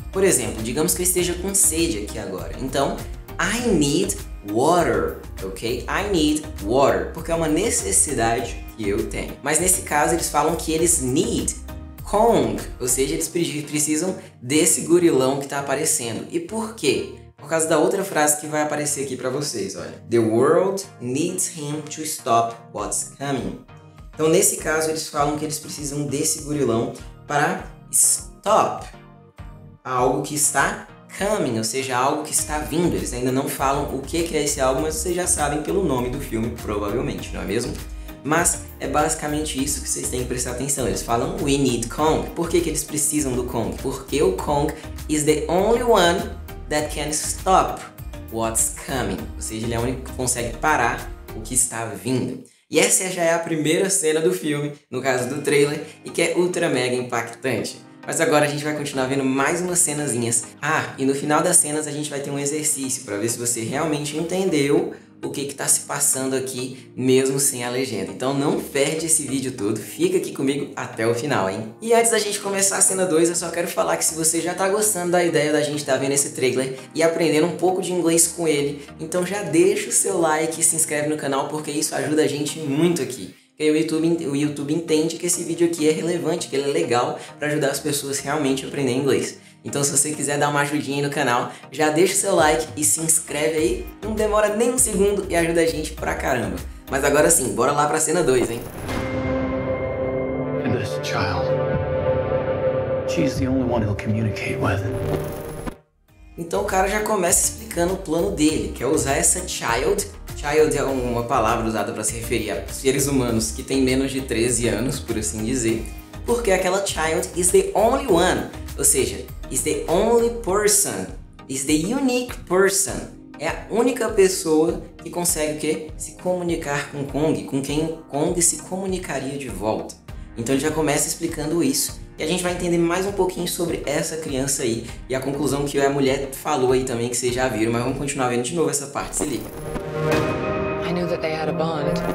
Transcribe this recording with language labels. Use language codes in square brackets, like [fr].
[pt] Por exemplo, digamos que eu esteja com sede aqui agora. Então, [en] I need water, ok? I need water, [pt] porque é uma necessidade que eu tenho. Mas nesse caso eles falam que eles [en] need Kong, [pt] ou seja, eles precisam desse gorilão que tá aparecendo. E por quê? Por causa da outra frase que vai aparecer aqui pra vocês, olha. [en] The world needs him to stop what's coming. [pt] Então nesse caso eles falam que eles precisam desse gorilão para stop algo que está coming, ou seja, algo que está vindo. Eles ainda não falam o que é esse algo, mas vocês já sabem pelo nome do filme, provavelmente, não é mesmo? Mas é basicamente isso que vocês têm que prestar atenção. Eles falam [en] We need Kong. [pt] Por que que eles precisam do Kong? Porque o [en] Kong is the only one that can stop what's coming. [pt] Ou seja, ele é o único que consegue parar o que está vindo. E essa já é a primeira cena do filme, no caso do trailer, e que é ultra mega impactante. Mas agora a gente vai continuar vendo mais umas cenazinhas. Ah, e no final das cenas a gente vai ter um exercício para ver se você realmente entendeu o que está se passando aqui, mesmo sem a legenda. Então não perde esse vídeo todo, fica aqui comigo até o final, hein? E antes da gente começar a cena 2, eu só quero falar que se você já tá gostando da ideia da gente estar vendo esse trailer e aprendendo um pouco de inglês com ele, então já deixa o seu like e se inscreve no canal, porque isso ajuda a gente muito aqui. Porque o YouTube entende que esse vídeo aqui é relevante, que ele é legal para ajudar as pessoas realmente a aprender inglês. Então se você quiser dar uma ajudinha aí no canal, já deixa o seu like e se inscreve aí. Não demora nem um segundo e ajuda a gente pra caramba. Mas agora sim, bora lá pra cena 2, hein? [en] And this child, she's the only one he'll communicate with. [pt] Então o cara já começa explicando o plano dele, que é usar essa child. Child é uma palavra usada pra se referir a seres humanos que têm menos de 13 anos, por assim dizer. Porque aquela [en] child is the only one, [pt] ou seja, [en] is the only person, is the unique person. [pt] É a única pessoa que consegue o quê? Se comunicar com Kong, com quem Kong se comunicaria de volta. Então ele já começa explicando isso. E a gente vai entender mais um pouquinho sobre essa criança aí. E a conclusão que a mulher falou aí também, que vocês já viram. Mas vamos continuar vendo de novo essa parte, se liga. [en] I knew that they had a bond.